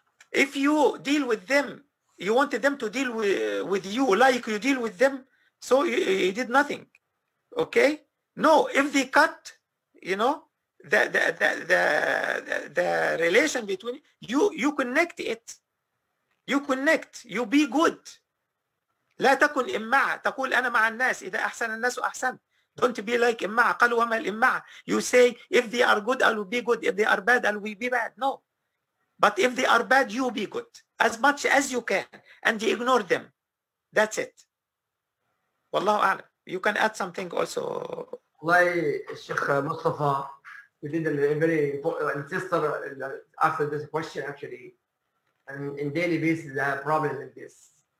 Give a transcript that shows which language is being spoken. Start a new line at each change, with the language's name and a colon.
English: If you deal with them, you wanted them to deal with you like you deal with them, so you did nothing, okay? No, if they cut, you know, the relation between you connect it, you connect, you be good.
Arabic: لا تكن إمعة تقول أنا مع الناس إذا أحسن الناس أحسن.
English: Don't be like إمعة
Arabic: قالوا وما الإمعة.
English: You say if they are good I will be good, if they are bad I will be bad. No, but if they are bad you be good as much as you can and you ignore them. That's it.
Arabic: والله أعلم.
English: You can add something also. الشيخ مصطفى, we did a very important sister asked this question actually, and in daily basis they have a problem like this.